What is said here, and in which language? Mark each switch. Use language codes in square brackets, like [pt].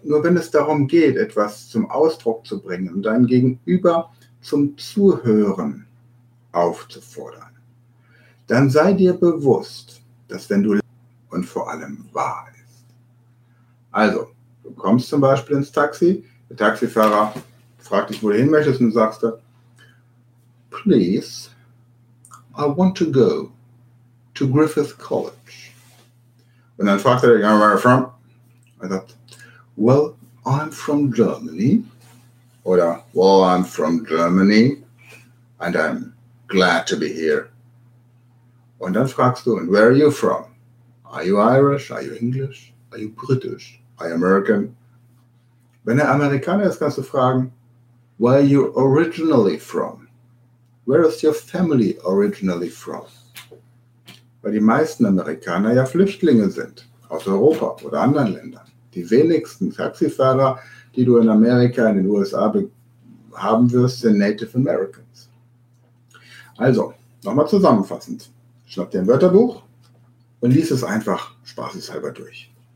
[de] Nur wenn es darum geht, etwas zum Ausdruck zu bringen und dein Gegenüber zum Zuhören aufzufordern, dann sei dir bewusst, dass wenn du und vor allem wahr ist. Also, du kommst zum Beispiel ins Taxi, der Taxifahrer fragt dich, wo du hin möchtest und sagst, [en] please, I want to go to Griffith College. [de] Und dann fragt er dich, [en] where are you from? I thought, well, I'm from Germany. [de] Oder, [en] well, I'm from Germany and I'm glad to be here. [de] Und dann fragst du, [en] and where are you from? Are you Irish? Are you English? Are you British? Are you American? [de] Wenn er Amerikaner ist, kannst du fragen, [en] where are you originally from? Where is your family originally from? [de] Weil die meisten Amerikaner ja Flüchtlinge sind, aus Europa oder anderen Ländern. Die wenigsten Taxifahrer, die du in Amerika, in den USA haben wirst, sind Native Americans. Also, nochmal zusammenfassend. Schnapp dir ein Wörterbuch und lies es einfach spaßeshalber durch.